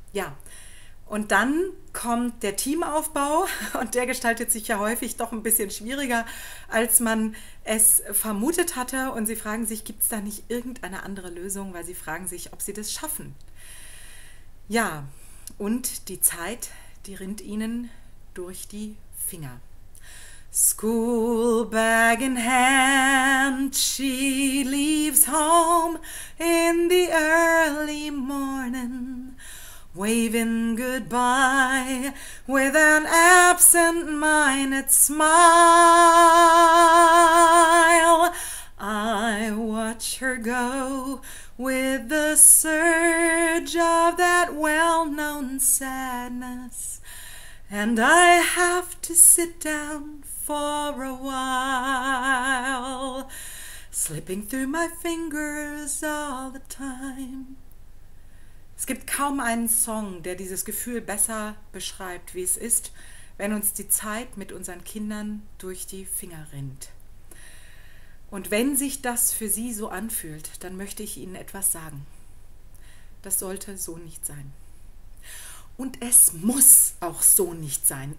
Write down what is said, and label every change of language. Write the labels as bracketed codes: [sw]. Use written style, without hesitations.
[de] Ja, und dann kommt der Teamaufbau und der gestaltet sich ja häufig doch ein bisschen schwieriger, als man es vermutet hatte. Und sie fragen sich, gibt es da nicht irgendeine andere Lösung, weil sie fragen sich, ob sie das schaffen. Ja, und die Zeit, die rinnt ihnen durch die Finger. [en] School bag in hand, she leaves home in the early morning, waving goodbye with an absent-minded smile. I watch her go with the surge of that well-known sadness, and I have to sit down for a while, slipping through my fingers all the time. [de] Es gibt kaum einen Song, der dieses Gefühl besser beschreibt, wie es ist, wenn uns die Zeit mit unseren Kindern durch die Finger rinnt. Und wenn sich das für Sie so anfühlt, dann möchte ich Ihnen etwas sagen. Das sollte so nicht sein. Und es muss auch so nicht sein.